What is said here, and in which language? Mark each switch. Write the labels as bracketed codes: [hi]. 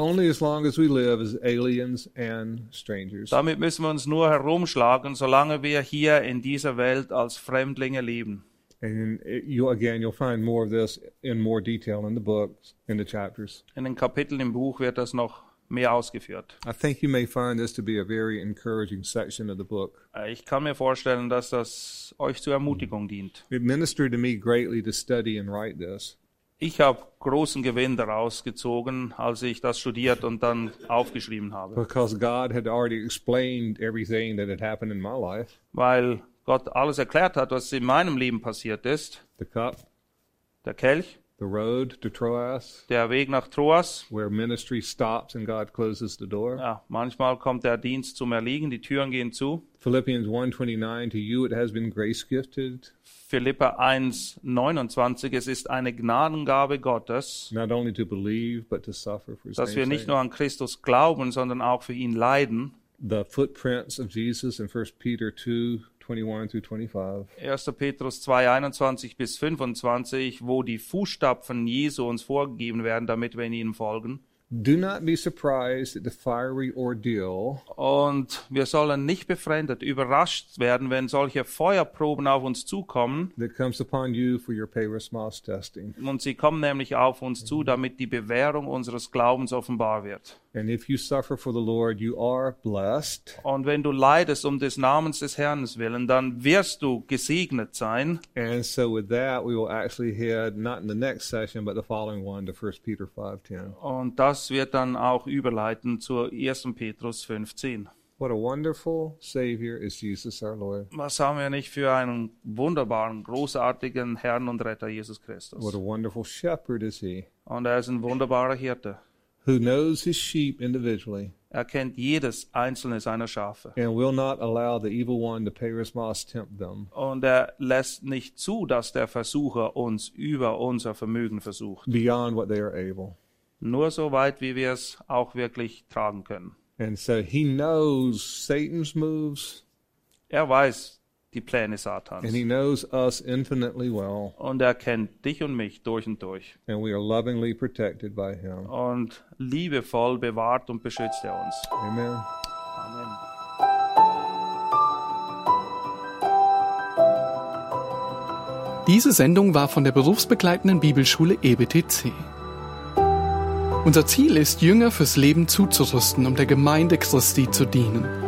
[en] Only as long as we live as aliens and strangers. [de] Damit müssen wir uns nur herumschlagen, solange wir hier in dieser Welt als Fremdlinge leben. [en] And you'll find more of this in more detail in the books, in the chapters. [de] In den Kapiteln im Buch wird das noch mehr ausgeführt. [en] I think you may find this to be a very encouraging section of the book. [de] Ich kann mir vorstellen, dass das euch zur Ermutigung dient. [en] It ministered to me greatly to study and write this. [de] Ich habe großen Gewinn daraus gezogen, als ich das studiert und dann aufgeschrieben habe. [en] Because God had already explained everything that had happened in my life. [de] Weil Gott alles erklärt hat, was in meinem Leben passiert ist. [en] The cup. [de] Der Kelch. [en] The road to Troas. [de] Der Weg nach Troas. [en] Where ministry stops and God closes the door. [de] Ja, manchmal kommt der Dienst zum Erliegen, die Türen gehen zu. [en] Philippians 1:29, to you it has been grace gifted. [de] Philipper 1:29, es ist eine Gnadengabe Gottes. [en] Not only to believe but to suffer for his name. [de] Dass wir nicht nur an Christus glauben, sondern auch für ihn leiden. [en] The footprints of Jesus in 1 Peter 2:21-25. [de] 1. Petrus 2:21-25, wo die Fußstapfen Jesu uns vorgegeben werden, damit wir ihnen folgen. [en] Do not be surprised at the fiery ordeal. [de] Und wir sollen nicht befremdet, überrascht werden, wenn solche Feuerproben auf uns zukommen. [en] That comes upon you for your perishable testing. [de] Und sie kommen nämlich auf uns zu, damit die Bewährung unseres Glaubens offenbar wird. [en] And if you suffer for the Lord, you are blessed. [de] Und wenn du leidest um des Namens des Herrn willen, dann wirst du gesegnet sein. [en] And so with that, we will actually head not in the next session, but the following one, to 1 Peter 5:10. [de] Und das wird dann auch überleiten zur 1. Petrus 5:10. [en] What a wonderful Savior is Jesus our Lord. [de] Was haben wir nicht für einen wunderbaren, großartigen Herrn und Retter Jesus Christus? [en] What a wonderful Shepherd is He. [de] Und er ist ein wunderbarer Hirte. [en] Who knows his sheep individually? [de] Er kennt jedes einzelne seiner Schafe. [en] And will not allow the evil one to perishable tempt them. [de] Und er lässt nicht zu, dass der Versucher uns über unser Vermögen versucht. [en] Beyond what they are able. [de] Nur so weit, wie wir es auch wirklich tragen können. [en] And so he knows Satan's moves. [de] Er weiß die Pläne Satans. [en] And he knows us infinitely well. [de] Und er kennt dich und mich durch und durch. [en] And we are lovingly protected by him. [de] Und liebevoll bewahrt und beschützt er uns. [en] Amen. [de] Amen. Diese Sendung war von der berufsbegleitenden Bibelschule EBTC. Unser Ziel ist, Jünger fürs Leben zuzurüsten, um der Gemeinde Christi zu dienen.